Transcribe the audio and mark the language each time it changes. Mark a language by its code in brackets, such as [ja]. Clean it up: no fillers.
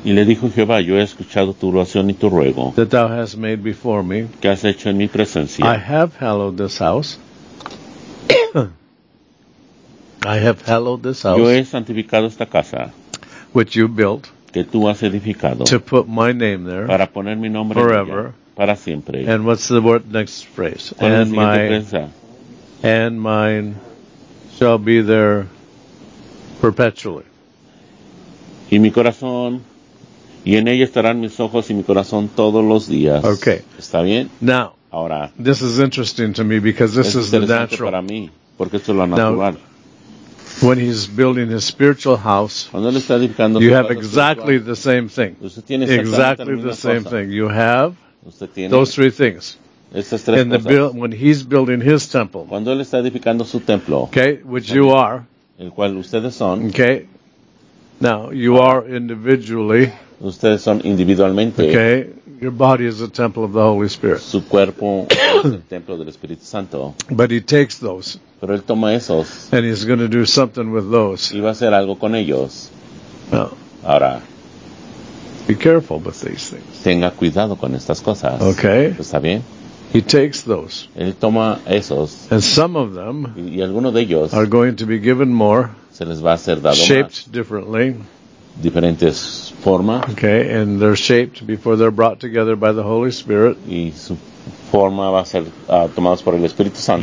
[es] Y le dijo Jehová, yo he escuchado tu oración y tu ruego. [en] That thou hast made before me. [es] Que has hecho en mi presencia. [en] I have hallowed this house. I have hallowed this house. [es] Yo he santificado esta casa. [en] Which you built. [es] Que tú has edificado. [en] To put my name there. [es] Para poner mi nombre [en] forever. [es] Allá, para siempre. [en] And what's the word next phrase? And my presa? And mine shall be there perpetually. [es] Y mi corazón, y en ella estarán mis ojos y mi corazón todos los días. [en] Okay. [es] ¿Está bien? [en] Now, [es] ahora, [en] this is interesting to me because this is the natural. [es] Para mí, porque esto es lo natural. [en] Now, when he's building his spiritual house, [es] cuando él está edificando [en] you have exactly the same thing. [es] Usted tiene exactamente [en] exactly the [es] cosa. [en] Same thing. You have [es] usted tiene [en] those three things. [es] Estas tres [en] in the build, when he's building his temple, [es] cuando él está edificando su templo, [en] okay, which you are, [es] el cual ustedes son, [en] okay, now you are individually, [es] ustedes son individualmente, [en] okay, your body is a temple of the Holy Spirit, [es] su cuerpo es el templo del Espíritu Santo, [en] but he takes those, [es] pero él toma esos, [en] and he's going to do something with those, [es] y va a hacer algo con ellos, [en] well, [es] ahora. [en] Be careful with these things. [es] Tenga cuidado con estas cosas. [en] Okay. [es] ¿Está bien? [en] He takes those. [es] Él toma esos. [en] And some of them [es] y alguno de ellos [en] are going to be given more. [es] Se les va a ser dado [en] shaped [es] más. [en] Differently. [es] Diferentes formas. [en] Okay, and they're shaped before they're brought together by the Holy Spirit. [es] Y su forma va a ser tomados por el Espíritu Santo.